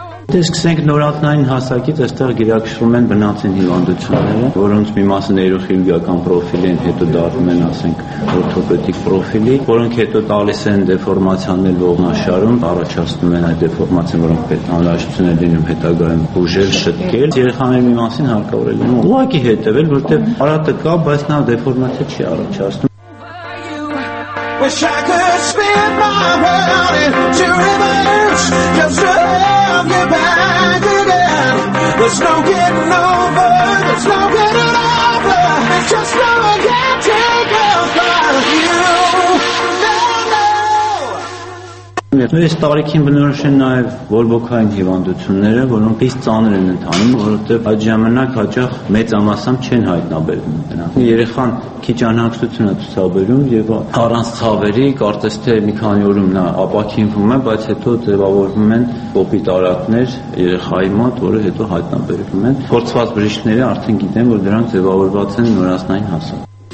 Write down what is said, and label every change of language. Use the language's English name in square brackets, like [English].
[Armenian] Դե սկսենք նորածնային հասակից, այստեղ գիրակշռում են բնածին հիվանդությունները, որոնց մի մասը նեյրոխիրուրգիական պրոֆիլ են, հետո դառնում են, ասենք, օրթոպեդիկ պրոֆիլի, որոնք հետո տալիս են դեֆորմացիաներ ողնաշարում, առաջացնում են այդ դեֆորմացիան, որոնք պետք է անհրաժեշտություն է լինում հետագայում բուժել, շտկել, երեխաների մի մասին հարկավոր է լինում ուղղակի հետևել, որտեղ արատը կա, բայց նա դեֆորմացիա չի առաջացնում. [English] Wish I could spin my world into reverse, just to have you back again. There's no getting over, there's no getting over, just no again take over you. [Armenian] Մեծ տարիքին բնորոշ են նաև ոլբոքային հիվանդությունները, որոնք իսկ ծանր են ընթանում, որովհետև այդ ժամանակ հաճախ մեծ ամասամբ չեն հայտնաբերվում դրանք։ Երեխան քիչ անհանգստություն է ցուցաբերում եւ առանց ցավերի կարծես թե մի քանի օրում նա ապաքինվում է, բայց հետո ձևավորվում են կոպիտ արատներ երեխայի մոտ, որը հետո հայտնաբերվում են։ Փորձված բժիշկները արդեն գիտեն, որ դրանք ձևավորված են նորածնային հասակ։